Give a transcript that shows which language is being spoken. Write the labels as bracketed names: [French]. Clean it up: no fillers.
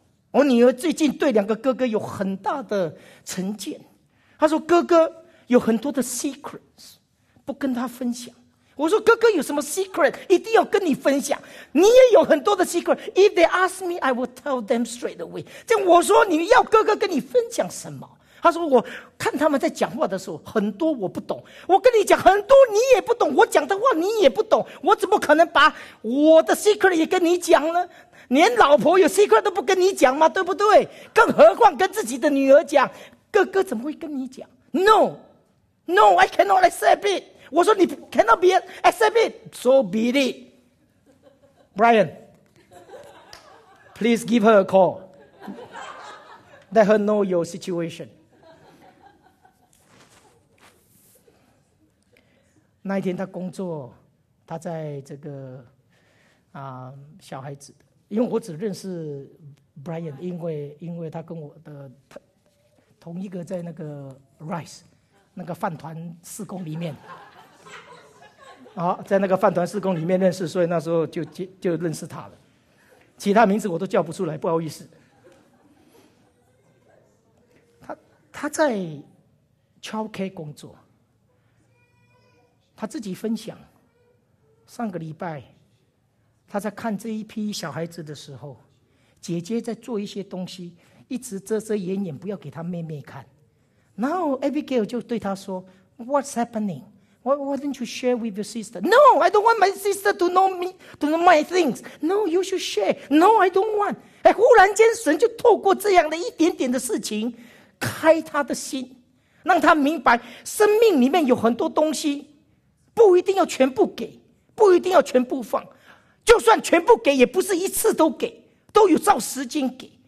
[Chinese] 我女儿最近对两个哥哥有很大的成见，她说哥哥有很多的 secrets 不跟她分享。我说哥哥有什么 secret 一定要跟你分享？你也有很多的 [English] secret， if they ask me I will tell them straight away。 [Chinese] 这我说你要哥哥跟你分享什么？她说我看他们在讲话的时候很多我不懂，我跟你讲很多你也不懂，我讲的话你也不懂，我怎么可能把我的 secret 也跟你讲呢？连老婆有 secret 都不跟你讲吗？对不对？更何况跟自己的女儿讲，哥哥怎么会跟你讲？ [English] No No I cannot accept it。 [Chinese] 我说你 [English] cannot be accept it， so be it。 Brian please give her a call， let her know your situation。 [Chinese] 那一天他工作，他在这个小孩子，因为我只认识 Brian， 因为他跟我的同一个在那个 Rice 那个饭团四工里面在那个饭团四工里面认识，所以那时候 就认识他了。其他名字我都叫不出来，不好意思。他在 Childcare 工作，他自己分享上个礼拜他在看这一批小孩子的时候，姐姐在做一些东西，一直遮遮掩掩，不要给她妹妹看。然后 Abigail 就对她说 [English] What's happening? Why don't you share with your sister? No, I don't want my sister to know me, to know my things. No, you should share. No, I don't want. [Chinese] 忽然间神就透过这样的一点点的事情开她的心，让她明白生命里面有很多东西不一定要全部给，不一定要全部放，就算全部给也不是一次都给，都有照时间给。